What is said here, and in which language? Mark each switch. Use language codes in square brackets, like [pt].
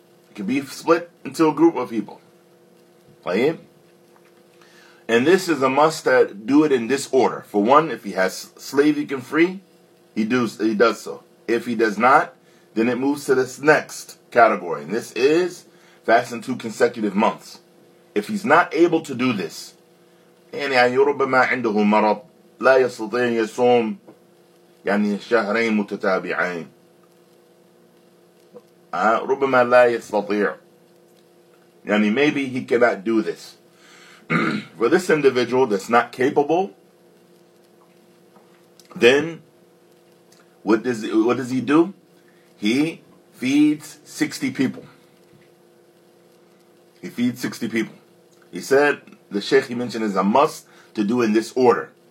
[en] It can be split into a group of people. Right? And this is a must that do it in this order. For one, if he has slave he can free, he does so. If he does not, then it moves to this next category. And this is fast in 2 consecutive months. If he's not able to do this, [ar] يعني ربما عنده مرض لا يستطيع يصوم يعني شهرين متتابعين ربما لا يستطيع يعني [en] maybe he cannot do this. For this individual that's not capable, then what does he do? He feeds 60 people. He feeds 60 people. He said, the sheikh he mentioned is a must to do in this order.